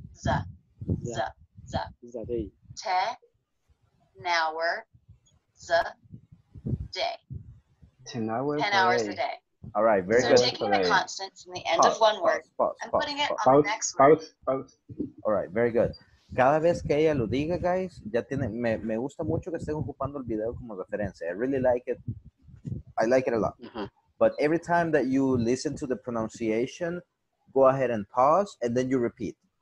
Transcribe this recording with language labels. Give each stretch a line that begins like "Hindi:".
English: Z. Z. Z. Z. Day. Te nower. Z. Day. 10 hours a day. All right, very so good. So taking the constant from the end of one word and putting it on the next word. All right, very good.
Spanish: Cada vez que ella lo diga, guys, ya tiene, me gusta mucho que estén ocupando el video como referencia.
English: I really like it. I like it a lot. Uh-huh. But every time that you listen to the pronunciation, go ahead and pause, and then you repeat.